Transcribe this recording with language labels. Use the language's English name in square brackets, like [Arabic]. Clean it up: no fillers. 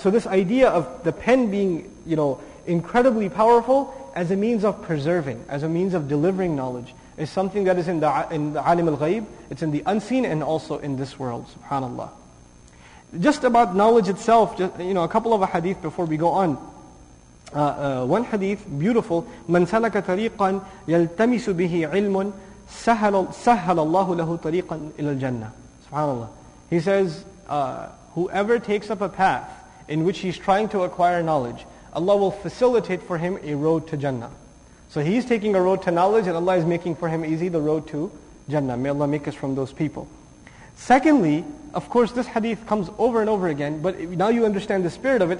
[English] So this idea of the pen being, you know, incredibly powerful as a means of preserving, as a means of delivering knowledge, is something that is in the alim al-ghayb. It's in the unseen and also in this world, subhanallah. Just about knowledge itself, just, you know, a couple of a hadith before we go on. One hadith, beautiful. [Arabic] من سلك طريقا يلتمس به علم سهل الله له طريقا إلى الجنة. SubhanAllah. [English] He says, whoever takes up a path in which he's trying to acquire knowledge, Allah will facilitate for him a road to Jannah. So he's taking a road to knowledge and Allah is making for him easy the road to Jannah. May Allah make us from those people. Secondly, of course, this hadith comes over and over again, but now you understand the spirit of it.